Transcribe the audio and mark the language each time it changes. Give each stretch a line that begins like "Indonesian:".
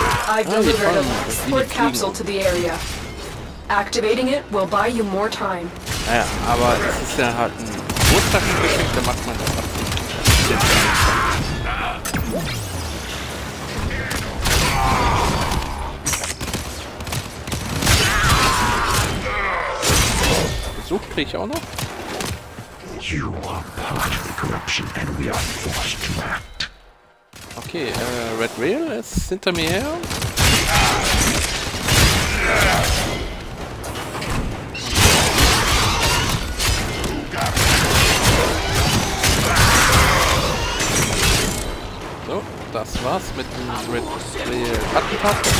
English: I've delivered a transport capsule to the area. Activating it will buy you more time.
German: Ja, aber es ist ja halt ein Wurzelgeschick, da macht man das ab. Besuch krieg ich auch noch.
English: You are part of the corruption and we are forced to act.
German: Okay, Red Rail ist hinter mir her. So, das war's mit dem Red Attentat.